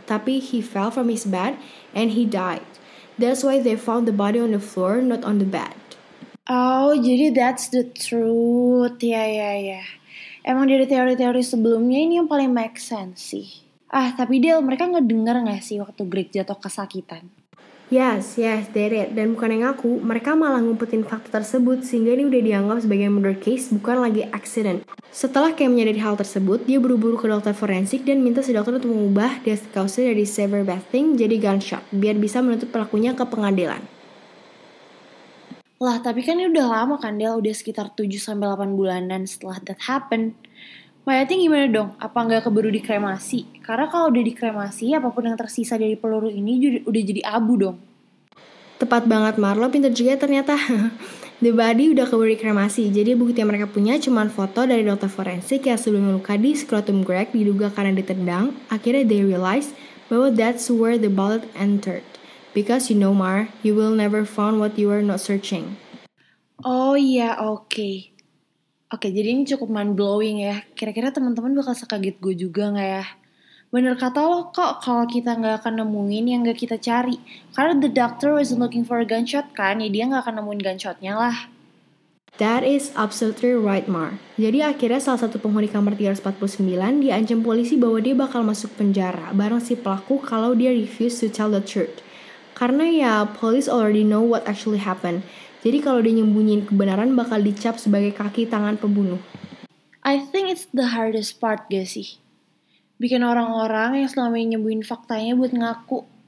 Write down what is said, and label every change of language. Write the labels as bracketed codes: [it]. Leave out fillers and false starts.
[id] Tapi [en] he fell from his bed and he died. That's why they found the body on the floor, not on the bed. Oh, [id] jadi [en] that's the truth. Yeah. [id] Emang dari teori-teori sebelumnya ini yang paling make sense sih. Ah, tapi Del, mereka ngedengar gak sih waktu Greg jatuh kesakitan? [en] Yes, they did. [id] Dan bukan yang aku, mereka malah ngumpetin fakta tersebut sehingga ini udah dianggap sebagai [en] murder case, [id] bukan lagi accident. Setelah Ken menyadari hal tersebut, dia buru-buru ke dokter forensik dan minta si dokter untuk mengubah [en] death cause [id] dari [en] severe bathing [id] jadi gunshot, biar bisa menuntut pelakunya ke pengadilan. Lah, tapi kan ini udah lama kan, Del? Udah sekitar 7-8 bulanan setelah [en] that happen. [id] Mayatnya gimana dong? Apa nggak keburu dikremasi? Karena kalau udah dikremasi, apapun yang tersisa dari peluru ini udah jadi abu dong. Tepat banget, Marlo. Pinter juga ternyata. [en] The body [id] udah keburu dikremasi, jadi bukti yang mereka punya cuma foto dari dokter forensik yang sebelumnya luka di scrotum Greg diduga karena ditendang. Akhirnya [en] they realize [id] bahwa [en] that's where the bullet entered. Because you know, Mar, you will never find what you are not searching. [id] Oh iya, okay. Oke, jadi ini cukup mind-blowing ya. Kira-kira teman-teman bakal sekaget gue juga gak ya? Bener kata lo kok kalau kita gak akan nemuin yang gak kita cari. Karena [en] the doctor wasn't looking for a gunshot [id] kan, ya dia gak akan nemuin gunshotnya lah. [en] That is absolutely right, [id] Mar. Jadi akhirnya salah satu penghuni kamar 349 diancam polisi bahwa dia bakal masuk penjara bareng si pelaku kalau dia [en] refuse to tell the truth. Karena ya, police already know what actually happened. [id] Jadi kalau dia nyembunyiin kebenaran bakal dicap sebagai kaki tangan pembunuh. [en] I think it's the hardest part [id] gak sih? Bikin orang-orang yang selama ini nyembunyiin faktanya buat ngaku.